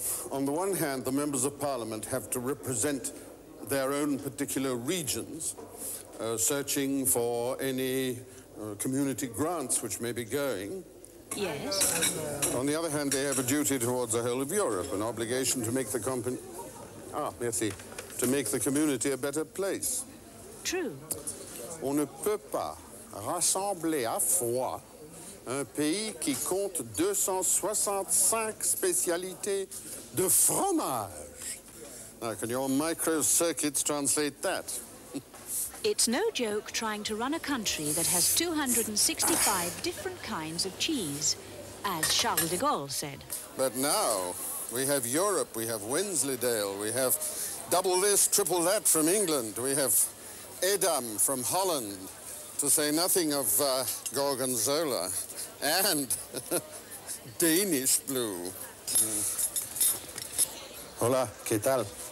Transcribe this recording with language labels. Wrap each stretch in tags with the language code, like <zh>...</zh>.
<en>On the one hand, the members of Parliament have to represent their own particular regions, searching for any community grants which may be going. Yes. On the other hand, they have a duty towards the whole of Europe, an obligation to make the company... to make the community a better place. True.</en> <fr>On ne peut pas rassembler à froid un pays qui compte 265 spécialités de fromage.</fr> <en>Now, can your microcircuits translate that? It's no joke trying to run a country that has 265 different kinds of cheese, as Charles de Gaulle said. But now... we have Europe, we have Wensleydale, we have double this, triple that from England, we have Edam from Holland, to say nothing of Gorgonzola, and Danish blue. Mm.</en> <es>Hola, ¿qué tal?</es>